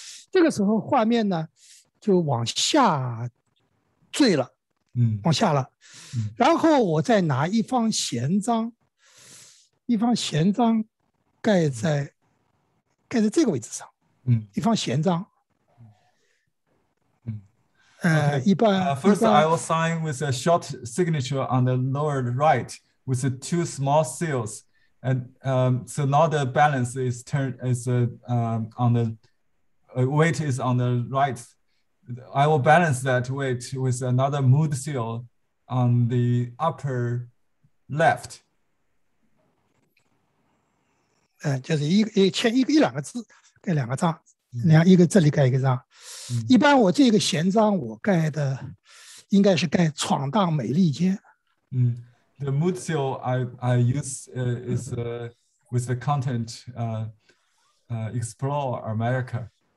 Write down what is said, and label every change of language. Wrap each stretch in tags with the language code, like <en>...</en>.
<zh>这个时候画面呢就往下坠了，往下了，然后我再拿一方闲章。一方闲章盖在这个位置上，一方闲章</zh> <en>First, I will sign with a short signature on the lower right with the two small seals. And so now the balance is turned is on the weight is on the right. I will balance that weight with another mood seal on the upper left.</en> <zh>就是一两个字，盖两个章。你看一个这里盖一个章。一般我这个闲章我盖的应该是盖闯荡美利坚。</zh> <en>The mood seal I use is with the content Explore America.</en>